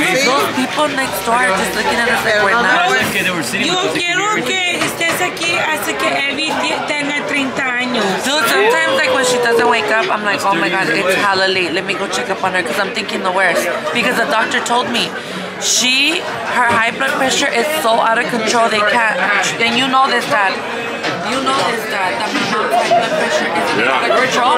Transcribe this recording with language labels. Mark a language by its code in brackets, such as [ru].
[en] have those people next door just looking at us like we're not. [es] Yo quiero que estés aquí hasta que Evie tenga 30 años. [en] Dude, sometimes like when she doesn't wake up, I'm like, oh my God, it's hella late. Let me go check up on her because I'm thinking the worst. Because the doctor told me, her high blood pressure is so out of control, they can't. And you know this, Dad. You know this, Dad, that my mom's high blood pressure is out of control.